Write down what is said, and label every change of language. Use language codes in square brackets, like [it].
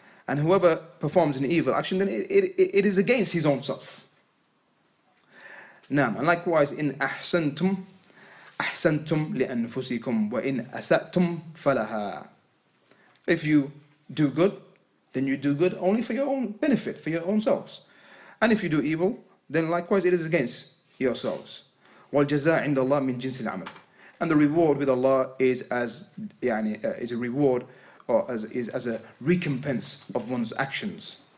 [en] And whoever performs an evil action, then it is against his own self. [ar] نعم. [en] And likewise, in [ar] أحسنتم, أحسنتم لأنفسكم وإن أسأتم فلها. [en] If you do good, then you do good only for your own benefit, for your own selves. And if you do evil, then likewise it is against yourselves. [ar] والجزاء عند الله من جنس العمل. [en] And the reward with Allah is as يعني is a reward or as is as a recompense of one's actions.